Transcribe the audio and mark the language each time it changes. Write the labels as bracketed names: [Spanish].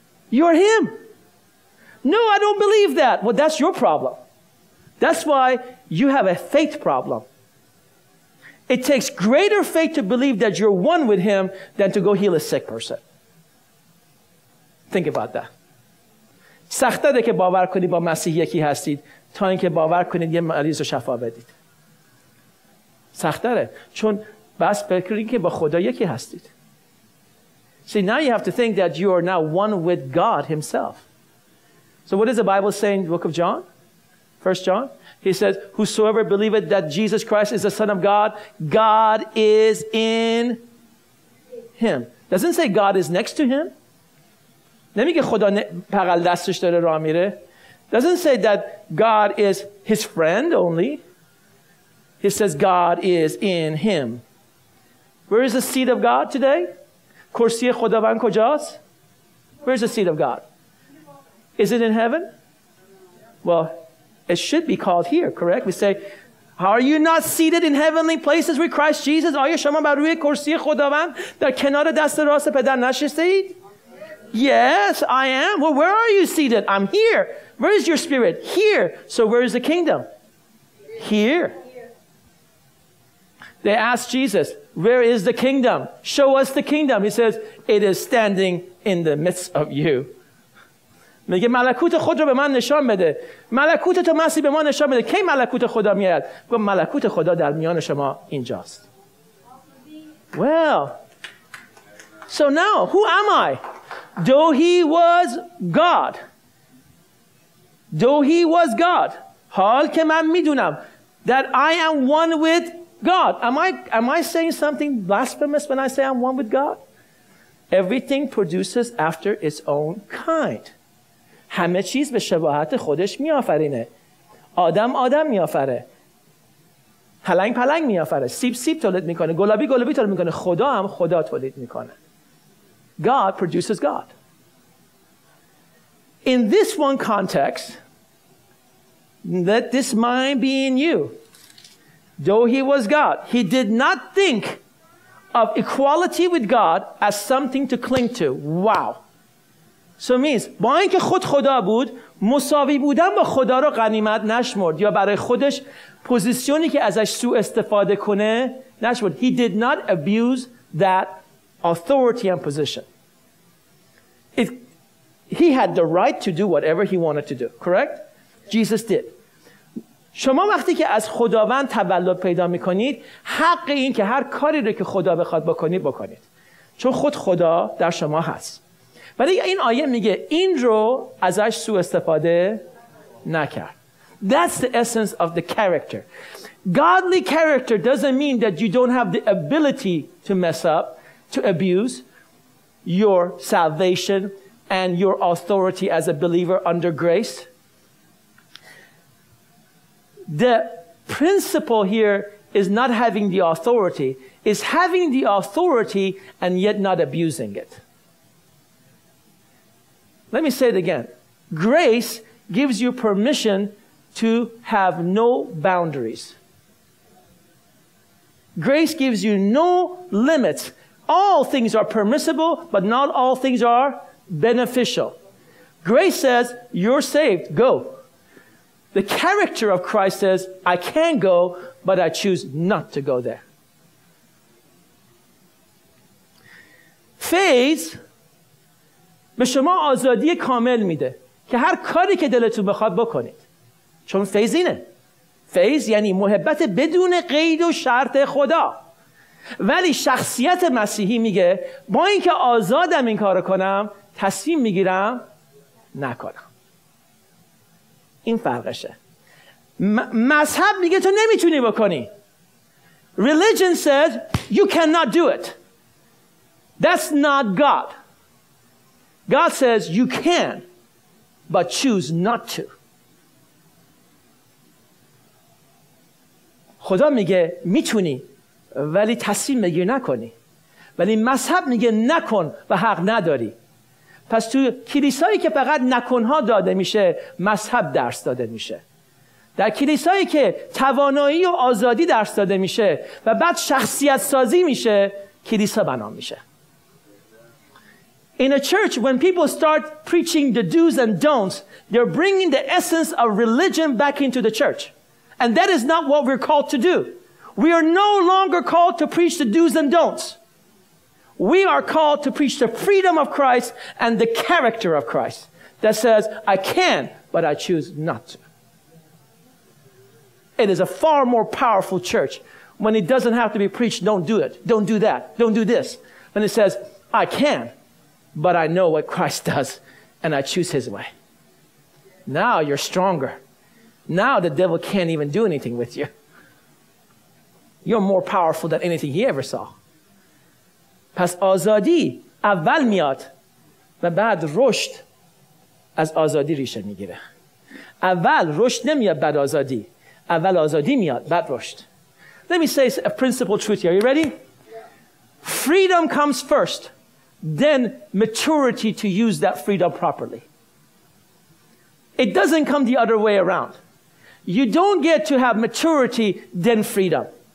[English] You're him. No, I don't believe that. Well, that's your problem. That's why you have a faith problem. It takes greater faith to believe that you're one with him than to go heal a sick person. Think about that. [Persian] سخت‌تره که باور کنی با مسیح یکی هستید تا اینکه باور کنید یه مریض رو شفا بدید. سخت‌تره چون بس فکر کنید که با خدا یکی هستید. [English] See, now you have to think that you are now one with God himself. So what is the Bible saying in the book of John? 1 John? He says, whosoever believeth that Jesus Christ is the Son of God, God is in him. Doesn't say God is next to him. [Persian] نمیگه خدا بغل دستش داره راه میره. [English] Doesn't say that God is his friend only. He says God is in him. Where is the seat of God today? [Persian] کرسی خداوند کجاست? [English] Where is the seat of God? Is it in heaven? Well, it should be called here, correct? We say, are you not seated in heavenly places with Christ Jesus? [Persian] آیا شما بر روی کرسی خداوند در کنار دست راست پدر نشستید? [English] Yes, I am. Well, where are you seated? I'm here. Where is your spirit? Here. So where is the kingdom? Here. They asked Jesus, where is the kingdom? Show us the kingdom. He says, it is standing in the midst of you. [Persian] میگه ملکوت خود رو به من نشان بده. ملکوت تو مسیح به ما نشان بده. کی ملکوت خدا میاد؟ گفت ملکوت خدا در میان شما اینجاست. [English] Well, so now, who am I? Though he was God. Though he was God. [Persian] حال که من میدونم [English] that I am one with God. Am I saying something blasphemous when I say I'm one with God? Everything produces after its own kind. [Persian] همه چیز به شباهت خودش میآفرینه. آدم آدم میآفره. پلنگ پلنگ میآفره. سیب سیب تولید میکنه. گلابی گلابی تولید میکنه. خدا هم خدا تولید میکنه. [English] God produces God. In this one context, let this mind be in you. Though he was God, he did not think of equality with God as something to cling to. Wow. So means, [Persian] با اینکه خود خدا بود، مساوی بودن با خدا را غنیمت نشمرد یا برای خودش پوزیسیونی که ازش سوء استفاده کنه نشمرد. [English] He did not abuse that authority and position. He had the right to do whatever he wanted to do, correct? Jesus did. [Persian] شما وقتی که از خداوند تولد پیدا میکنید، حق این که هر کاری رو که خدا بخواد بکنید بکنید. چون خود خدا در شما هست. ولی این آیه میگه این رو ازش سوء استفاده نکرد. [English] That's the essence of the character. Godly character doesn't mean that you don't have the ability to mess up, to abuse your salvation and your authority as a believer under grace. The principle here is not having the authority, is having the authority and yet not abusing it. Let me say it again. Grace gives you permission to have no boundaries. Grace gives you no limits. All things are permissible, but not all things are beneficial. Grace says, you're saved, go. The character of Christ says, I can go, but I choose not to go there. [Persian] فیض به شما آزادی کامل میده که هر کاری که دلتون بخواد بکنید. چون فیض اینه. فیض یعنی محبت بدون قید و شرط خدا. ولی شخصیت مسیحی میگه با اینکه آزادم این کارو کنم، تصمیم میگیرم نکنم. این فرقشه. مذهب میگه تو نمیتونی بکنی. [English] Religion says you cannot do it. That's not God. God says you can, but choose not to. [Persian] خدا میگه میتونی ولی تصمیم بگیر نکنی. ولی مذهب میگه نکن و حق نداری. پس تو کلیسایی که فقط نکنها داده میشه، مذهب درس داده میشه. در کلیسایی که توانایی و آزادی درس داده میشه و بعد شخصیت سازی میشه، کلیسا بنا میشه. [English] In a church, when people start preaching the do's and don'ts, they're bringing the essence of religion back into the church. And that is not what we're called to do. We are no longer called to preach the do's and don'ts. We are called to preach the freedom of Christ and the character of Christ that says, I can, but I choose not to. It is a far more powerful church when it doesn't have to be preached, don't do it, don't do that, don't do this. When it says, I can, but I know what Christ does and I choose his way. Now you're stronger. Now the devil can't even do anything with you. You're more powerful than anything he ever saw. [Persian] پس آزادی اول میاد و بعد رشد از آزادی ریشه میگیره. اول رشد نمیاد بعد آزادی. اول آزادی میاد بعد رشد. [English] Let me say a principle truth here. Are you ready? Freedom comes first. Then maturity to use that freedom properly. It doesn't come the other way around. You don't get to have maturity, then freedom.